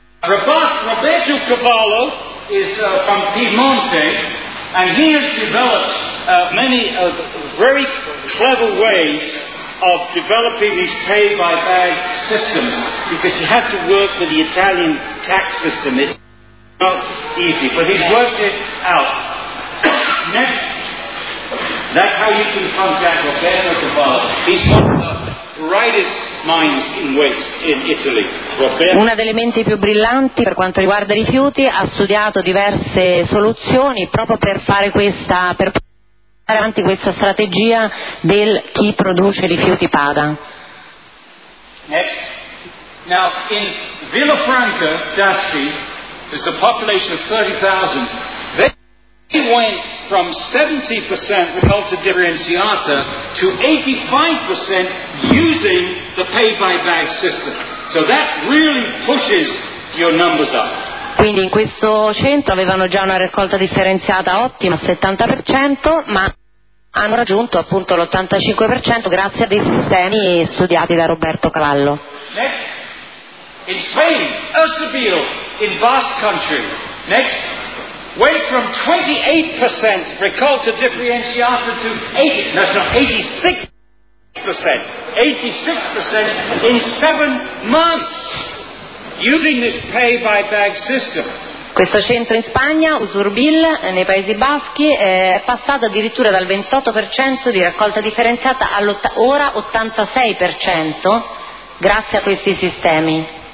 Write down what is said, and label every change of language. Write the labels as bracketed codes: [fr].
[en] Roberto Cavallo is from Piemonte, and he has developed many very clever ways of developing these pay-by-bag systems, because you have to work with the Italian tax system. It's not easy, but he's worked it out. Next. That's how you can contact Roberto Cavallo. He's one of the brightest minds in waste in Italy. [it] Una delle menti più brillanti per quanto riguarda i rifiuti ha studiato diverse soluzioni proprio per fare questa, per portare avanti questa strategia del chi produce rifiuti paga. [en] Next. Now in Villafranca d'Asti, there's a population of 30,000. They went from 70% raccolta differenziata to 85% using the pay by bag system. So that really pushes your numbers up. [it] Quindi in questo centro avevano già una raccolta differenziata ottima, 70%, ma hanno raggiunto appunto l'85% grazie a dei sistemi studiati da Roberto Cavallo. [en] Next. In Spain, Eusebio, in vast country. Next. Way from 28% raccolta differenziata to 86%. 86% in 7 months using this pay by bag system. [it] Questo centro in Spagna, Usurbil, nei Paesi Baschi, è passato addirittura dal 28% di raccolta differenziata all'ora 86% grazie a questi sistemi.